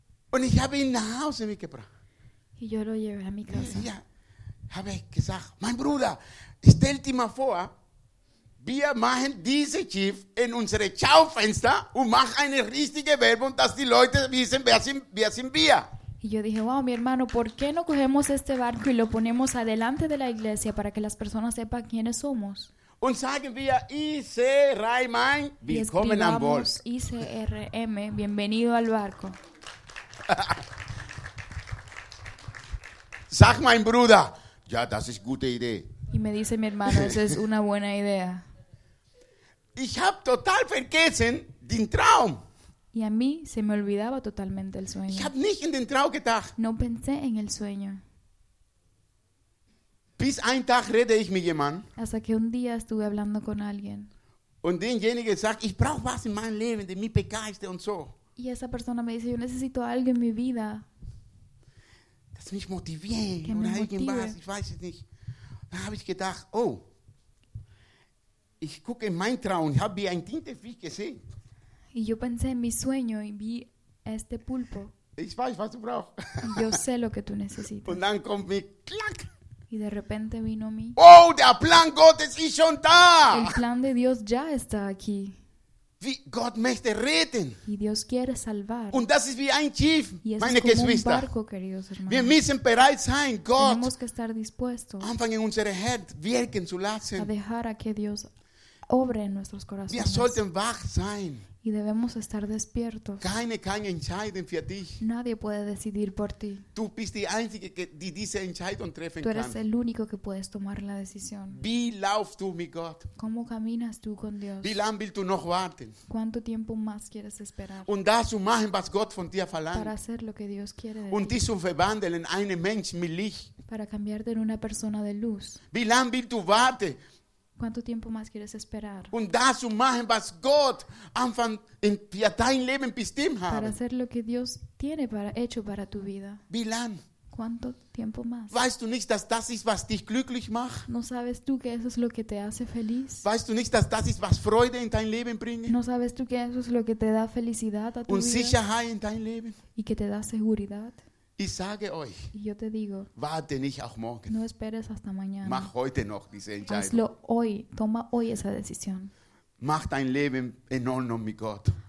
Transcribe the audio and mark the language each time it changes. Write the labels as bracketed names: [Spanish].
[German] Und ich habe ihn nach Hause mitgebracht. [Spanish] Y yo lo llevé a mi casa. [German] Ja, habe ich gesagt, mein Bruder, stell dir mal vor, wir machen diese Schiff in unsere Schaufenster und machen eine richtige Werbung, dass die Leute wissen, wer sind wir. [Spanish] Y yo dije, wow, mi hermano, ¿por qué no cogemos este barco y lo ponemos adelante de la iglesia para que las personas sepan quiénes somos? [German] Und sagen wir, ICRM, willkommen an Bord. [Spanish] ICRM, bienvenido al barco. [German] Sag mein Bruder, ja, das ist gute Idee. [Spanish] Y me dice mi hermano, esa es una buena idea. [German] Ich hab total vergessen den Traum. [Spanish] Y a mí se me olvidaba totalmente el sueño. [German] Ich hab nicht in den Traum gedacht. [Spanish] No pensé en el sueño. [German] Bis ein Tag rede ich mit jemandem. [Spanish] Hasta que un día estuve hablando con alguien. [German] Und denjenige sagt, ich brauche was in meinem Leben, der mich begeistert und so. [Spanish] Y esa persona me dice, yo necesito algo en mi vida. [German] Das mich motiviert. [Spanish] Que me motive. [German] Irgendwas, ich weiß es nicht. Da habe ich gedacht, oh, ich gucke in mein Traum, ich habe wie ein Tintenfisch gesehen. [Spanish] Y yo pensé en mi sueño y vi este pulpo. [German] Ich weiß, was du brauchst. [Spanish] Yo sé lo que tú necesitas. [German] Und dann kommt mi clack. [Spanish] Y de repente vino mi. [German] Oh, der Plan Gottes ist schon da. [Spanish] El plan de Dios ya está aquí. [German] Wie Gott möchte retten. [Spanish] Y Dios quiere salvar. [German] Und das ist wie ein Schiff, meine Geschwister. [Spanish] Un barco, queridos hermanos. [German] Wir müssen bereit sein, Gott. [Spanish] Tenemos que estar dispuestos. [German] Anfangen unsere Herz wirken zu lassen. [Spanish] A dejar a que Dios obre en nuestros corazones. [German] Wir sollten wach sein. [Spanish] Y debemos estar despiertos. [German] Keine kann entscheiden für dich. [Spanish] Nadie puede decidir por ti. [German] Du bist die Einzige, die diese Entscheidung treffen kann. [Spanish] Tú eres el único que puedes tomar la decisión. [German] Wie laufst du mit Gott? [Spanish] ¿Cómo caminas tú con Dios? [German] Wie lange willst du noch warten? [Spanish] ¿Cuánto tiempo más quieres esperar? [German] Und das zu machen, was Gott von dir verlangt. [Spanish] Para hacer lo que Dios quiere de ti. [German] Und dich zu verwandeln in einen Menschen mit Licht. [Spanish] Para cambiarte en una persona de luz. [German] Wie lange willst du warten? [Spanish] ¿Cuánto tiempo más quieres esperar? [German] Und das zu machen, was Gott Anfang in dein Leben bestimmt hat. [Spanish] Para hacer lo que Dios tiene para, hecho para tu vida. [German] Wie lang? [Spanish] ¿Cuánto tiempo más? [German] Weißt du nicht, dass das ist, was dich glücklich macht? [Spanish] ¿No sabes tú que eso es lo que te hace feliz? [German] Weißt du nicht, dass das ist, was Freude in dein Leben bringt? [Spanish] ¿No sabes tú que eso es lo que te da felicidad a tu [German] und [Spanish] vida? [German] Sicherheit in dein Leben? [Spanish] Y que te da seguridad. [German] Ich sage euch, [Spanish] yo te digo, [German] warte nicht auf morgen. [Spanish] No esperes hasta mañana. [German] Mach heute noch diese Entscheidung. [Spanish] Hazlo hoy, toma hoy esa decisión. [German] Mach dein Leben in Ordnung mit Gott.